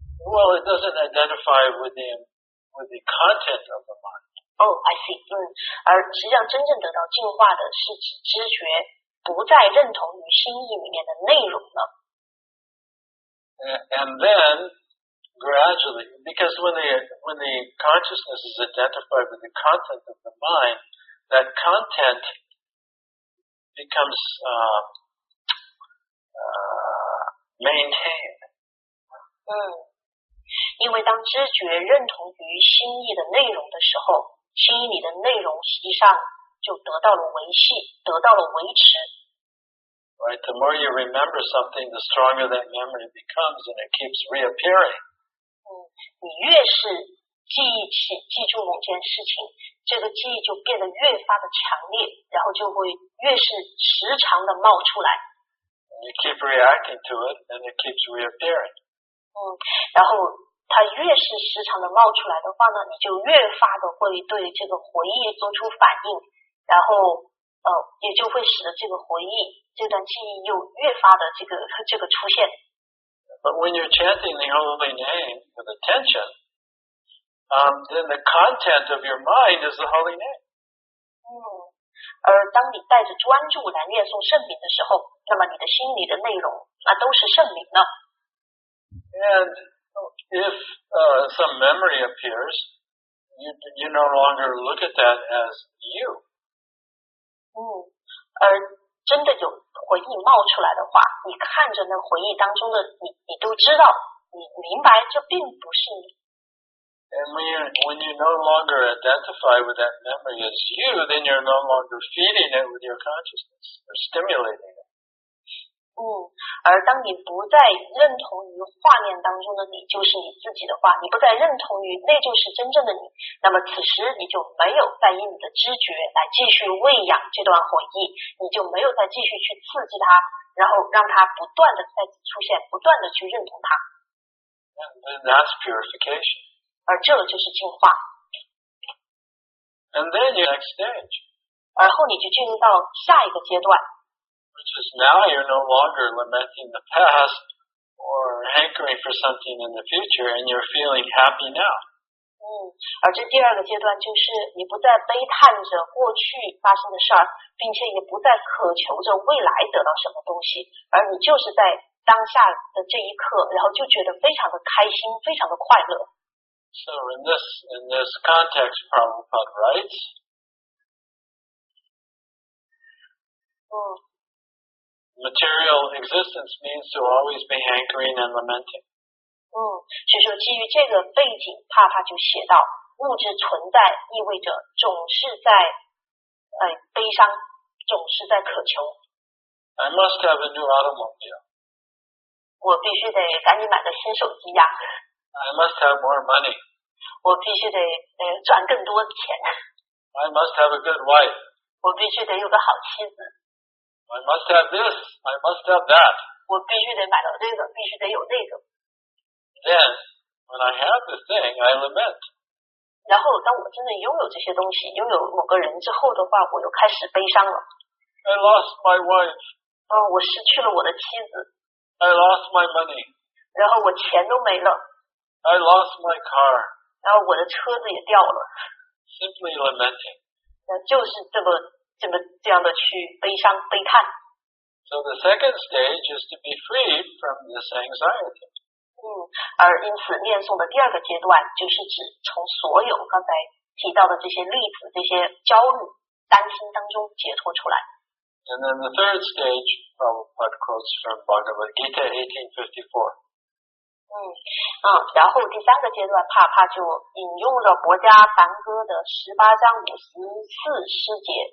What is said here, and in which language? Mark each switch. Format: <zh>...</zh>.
<en>Well, it doesn't identify with the content of the mind. Oh, I see.</en> <zh>而实际上真正得到净化的是指知觉不再认同于心意里面的内容了。</zh> <en>And then gradually, because when the consciousness is identified with the content of the mind, that content becomes maintained.</en> <zh>因为当知觉认同于心意的内容的时候，心意里的内容实际上就得到了维系，得到了维持。</zh> <en>Right, the more you remember something, the stronger that memory becomes, and it keeps reappearing.</en> <zh>你越是记住某件事情，这个记忆就变得越发的强烈，然后就会越是时常的冒出来。</zh> <en>And you keep reacting to it, and it keeps reappearing.</en> <zh>然后它越是时常的冒出来的话呢，你就越发的会对这个回忆做出反应，然后也就会使得这个回忆这段记忆又越发的这个出现。</zh> <en>But when you're chanting the holy name with attention, then the content of your mind is the holy name.</en> <zh>而当你带着专注来念诵圣名的时候，那么你的心里的内容那都是圣名呢。</zh> <en>And if some memory appears, you no longer look at that as you.</en> <zh>而真的有回忆冒出来的话，你看着那回忆当中的你都知道，你明白这并不是你。</zh> <en>And when you no longer identify with that memory as you, then you're no longer feeding it with your consciousness or stimulating it.</en> <zh>而当你不再认同于画面当中的你就是你自己的话，你不再认同于那就是真正的你，那么此时你就没有再以你的知觉来继续喂养这段回忆，你就没有再继续去刺激它，然后让它不断的再出现，不断的去认同它。</zh> <en>And that's purification.</en> <zh>而这就是净化。</zh> <en>And then your next stage.</en> <zh>而后你就进入到下一个阶段。</zh> <en>Which is now you're no longer lamenting the past or hankering for something in the future, and you're feeling happy now.</en> <zh>而这第二个阶段就是你不再悲叹着过去发生的事儿，并且也不再渴求着未来得到什么东西，而你就是在当下的这一刻，然后就觉得非常的开心，非常的快乐。</zh> <en>So in this context, Prabhupada writes. 嗯。Material existence means to always be hankering and lamenting.</en> <zh>所以说基于这个背景，帕帕就写到，物质存在意味着总是在悲伤，总是在渴求。</zh> <en>I must have a new automobile.</en> <zh>我必须得赶紧买个新手机呀。</zh> <en>I must have more money.</en> <zh>我必须得赚更多钱。</zh> <en>I must have a good wife.</en> <zh>我必须得有个好妻子。</zh> <en>I must have this, I must have that.</en> <zh>我必须得买到这个，必须得有那个。</zh> <en>Then, when I have the thing, I lament.</en> <zh>然后当我真正拥有这些东西，拥有某个人之后的话，我又开始悲伤了。</zh> <en>I lost my wife.</en> <zh>我失去了我的妻子。</zh> <en>I lost my money.</en> <zh>然后我钱都没了。</zh> <en>I lost my car.</en> <zh>然后我的车子也掉了。</zh> <en>Simply lamenting.</en> <zh>就是这样的去悲伤悲叹。</zh> <en>So the second stage is to be free from this anxiety.</en> <zh>而因此念诵的第二个阶段就是指从所有刚才提到的这些例子、这些焦虑、担心当中解脱出来。</zh> <en>And then the third stage, Prabhupada quotes from Bhagavad Gita 1854.</en> <zh>然后第三个阶段，帕帕就引用了国家梵歌的18章54诗节。</zh>